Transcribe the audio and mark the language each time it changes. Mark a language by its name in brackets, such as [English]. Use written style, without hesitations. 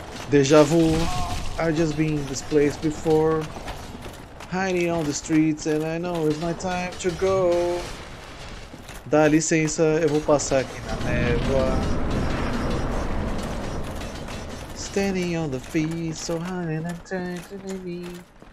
[English] Déjà vu, I've just been in this place before. Hiding on the streets and I know it's my time to go. [Portuguese] Dá licença, eu vou passar aqui na névoa. [English] Standing on the feet, so high and I'm trying to leave.